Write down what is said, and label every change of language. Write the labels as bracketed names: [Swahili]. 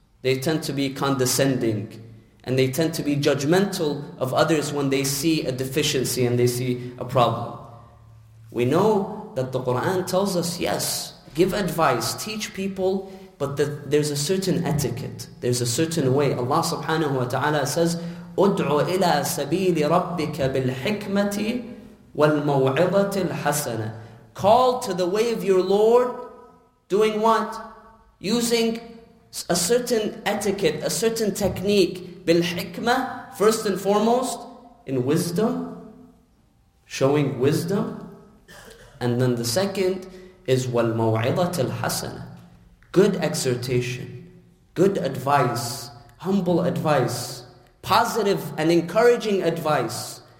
[English] They tend to be condescending, and they tend to be judgmental of others when they see a deficiency and they see a problem. We know that the Quran tells us, yes, give advice, teach people, but there's a certain etiquette, there's a certain way. Allah subhanahu wa ta'ala says, [Arabic] أُدْعُ إِلَىٰ سَبِيلِ رَبِّكَ بِالْحِكْمَةِ وَالْمَوْعِظَةِ الْحَسَنَةِ. [English] Call to the way of your Lord, doing what? Using a certain etiquette, a certain technique, بالحكمة, first and foremost, in wisdom, showing wisdom. And then the second is [Arabic] وَالْمَوْعِظَةِ الْحَسَنَةِ, [English] good exhortation, good advice, humble advice, positive and encouraging advice.